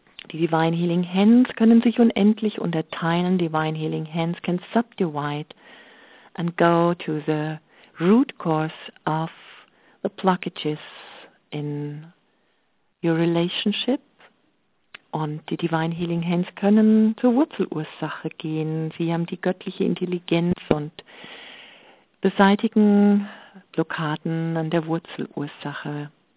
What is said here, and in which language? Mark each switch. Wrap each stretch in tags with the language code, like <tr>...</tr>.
<de>Die Divine Healing Hands können sich unendlich unterteilen.</de> <en>Divine Healing Hands can subdivide and go to the root cause of the blockages in your relationship.</en> <de>Und die Divine Healing Hands können zur Wurzelursache gehen. Sie haben die göttliche Intelligenz und beseitigen Blockaden an der Wurzelursache.</de>